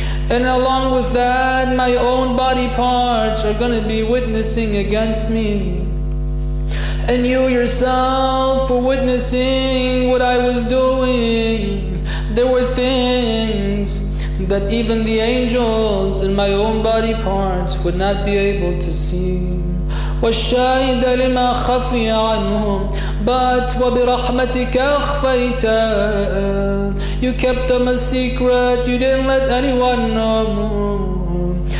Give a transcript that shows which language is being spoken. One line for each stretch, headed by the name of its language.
English: And along with that, my own body parts are going to be witnessing against me. And you yourself for witnessing what I was doing. There were things that even the angels in my own body parts would not be able to see.
Arabic: والشاهد لما خفي عنهم
English: but
Arabic: وبرحمتك أخفيت.
English: You kept them a secret, you didn't let anyone know.